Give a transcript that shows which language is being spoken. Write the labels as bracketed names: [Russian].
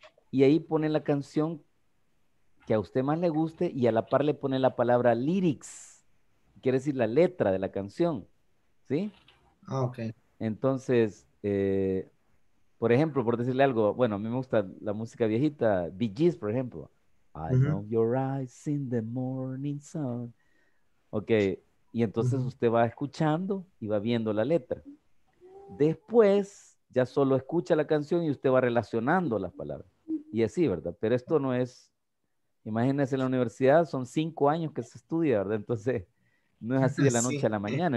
[Spanish] Y ahí pone la canción que a usted más le guste y a la par le pone la palabra lyrics, quiere decir la letra de la canción, ¿sí? Ah, ok. Entonces, por ejemplo, por decirle algo, bueno, a mí me gusta la música viejita, Bee Gees, por ejemplo. [English] I know your eyes in the morning sun. [Spanish] Ok, y entonces usted va escuchando y va viendo la letra. Después, ya solo escucha la canción y usted va relacionando las palabras. Y así, ¿verdad? Pero esto no es, imagínense en la universidad, son 5 años que se estudia, ¿verdad? Entonces, no es así de la noche sí. A la mañana.